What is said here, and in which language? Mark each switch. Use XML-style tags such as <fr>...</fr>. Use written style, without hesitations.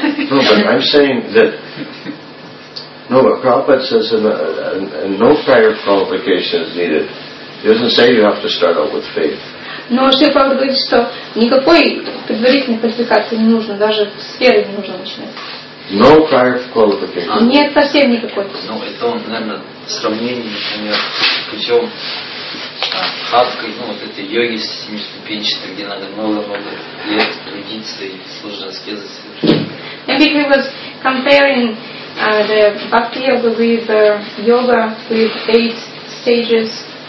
<en>No, but I'm saying that but Prabhupada says in no prior qualification is needed. He doesn't say you have to start out with faith.</en> <ru>Но Шри Прабхупада говорит, что никакой предварительной квалификации не нужно, даже с веры не нужно начинать.</ru> <en>No prior qualification.</en> <ru>Нет, совсем никакой. Ну, это он, наверное, сравнение, например, путем садкой, вот этой йоги с этими ступенчатыми, где надо много-много лет трудиться и служить аскезы совершенно.</ru> <en>Maybe he was comparing the bhakti yoga with yoga with 8 stages.</en>